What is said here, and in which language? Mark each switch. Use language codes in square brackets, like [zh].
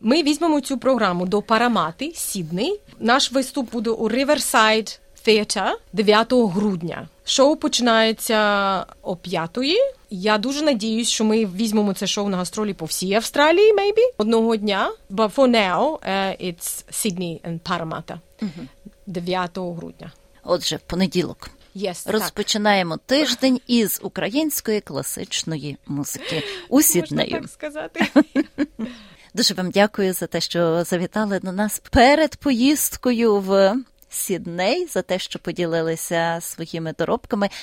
[uk] Ми візьмемо цю програму до Парамати, Сідней. Наш виступ буде у Riverside Theatre 9 грудня. Шоу починається о 5-й. Я дуже надіюсь, що ми візьмемо це шоу на гастролі по всій Австралії, maybe, одного дня. [en] But for now, it's Sydney and Parramatta. [uk] 9 грудня. Отже, понеділок. [en] Yes, [uk] розпочинаємо тиждень із української класичної музики у Сіднею. Можна так сказати. Дуже вам дякую за те, що завітали до нас перед поїздкою в Сідней, за те, що поділилися своїми доробками.